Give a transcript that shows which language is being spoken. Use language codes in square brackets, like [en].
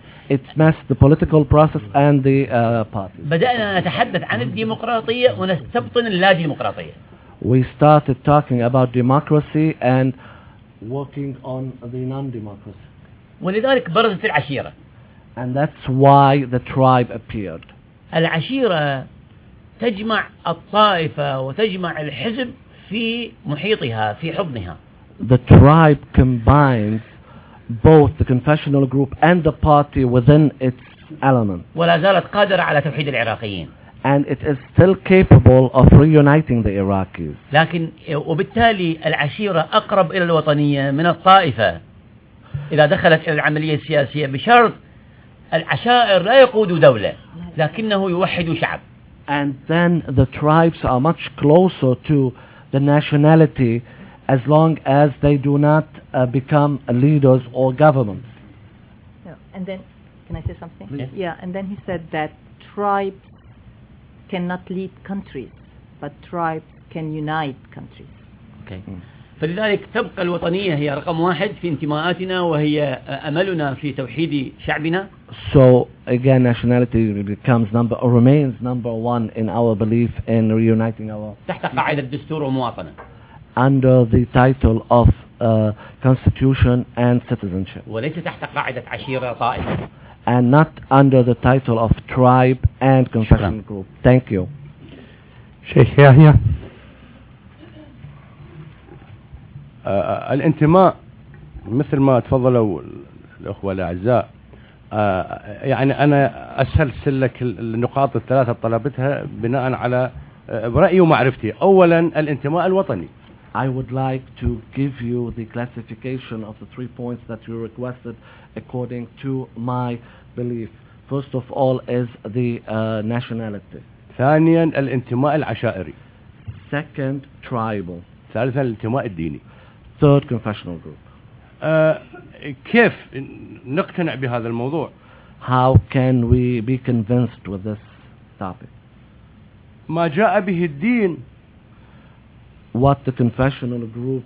[en] It messed the political process and the parties. [ar] بدأنا نتحدث عن الديمقراطية ونستبطن اللاديمقراطية. [en] We started talking about democracy and working on the non-democracy. [ar] ولذلك برزت العشيرة. [en] And that's why the tribe appeared. [ar] العشيرة تجمع الطائفة وتجمع الحزب في محيطها في حضنها. [en] The tribe combines both the confessional group and the party within its element. [ar] ولا زالت قادرة على توحيد العراقيين. [en] And it is still capable of reuniting the Iraqis. [ar] لكن وبالتالي العشيرة أقرب إلى الوطنية من الطائفة إذا دخلت إلى العملية السياسية بشرط العشائر لا يقود دولة لكنه يوحد شعب. [en] And then the tribes are much closer to the nationality as long as they do not become leaders or governments. Yeah, and then can I say something? Please. Yeah, and then he said that tribes cannot lead countries, but tribes can unite countries. Okay. [ar] فلذلك تبقى الوطنية هي رقم واحد في انتماءاتنا وهي أملنا في توحيد شعبنا. [en] So again, nationality becomes number or remains number one in our belief in reuniting our. [ar] تحت قاعدة الدستور ومواطنة. [en] Under the title of constitution and citizenship. [ar] وليس تحت قاعدة عشيرة طائفة. [en] And not under the title of tribe and confession group. Thank you. Sheikh Yahya. [ar] الانتماء مثل ما تفضلوا الأخوة الأعزاء يعني أنا أسلسل لك النقاط الثلاثة طلبتها بناء على رأيي ومعرفتي. أولا الانتماء الوطني. [en] I would like to give you the classification of the three points that you requested according to my belief. First of all is the nationality. [ar] ثانيا الانتماء العشائري. [en] Second, tribal. [ar] ثالثا الانتماء الديني. [en] Third confessional group. [ar] كيف نقتنع بهذا الموضوع؟ [en] How can we be convinced with this topic? [ar] ما جاء به الدين. [en] What the confessional group.